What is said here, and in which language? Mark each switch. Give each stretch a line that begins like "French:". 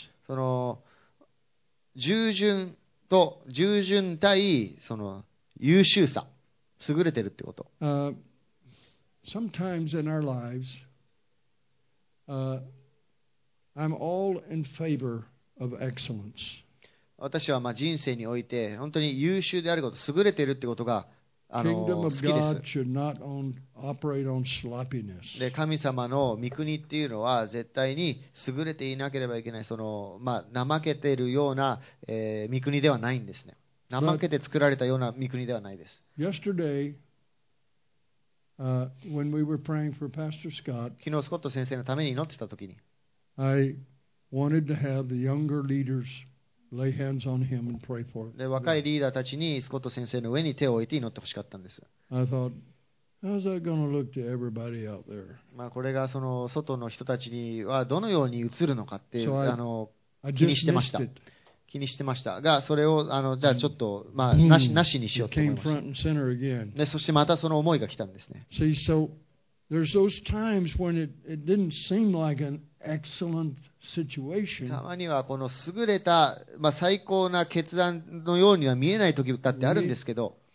Japanese: その従順と従順対その優秀さ、優れてるってこと。
English: Sometimes in our lives, I'm all in favor of excellence.
Japanese: 私はまあ人生において本当に優秀であること、優れているってことが
English: Kingdom of God should not operate on sloppiness.
Japanese: で、神様の御国っていうのは絶対に優れていなければいけない、怠けているような、御国ではないんですね。怠けて作られたような御国ではないです。
English: But、yesterday, when we were praying for Pastor Scott,
Japanese: 昨日スコット先生のために祈ってた時に。
English: I wanted to have the younger leaders lay hands on him and pray for him.
Japanese: で、若いリーダーたちにスコット先生の上に手を置いて祈ってほしかったんです。
English: I thought, how's that going to look to everybody out there?
Japanese: まあ、これがその外の人たちにはどのように映るのかって、so、気にしてました。気にしてましたが、それをじゃあちょっと、まあ、なしにしようと思います。
English: Came front and center again.
Japanese: で、そしてまたその思いが来たんですね。
English: See, so there's those times when it didn't seem like anExcellent situation.
Japanese: たまにはこの優れた、まあ、最高な決断のようには見えない時だってあるんですけど、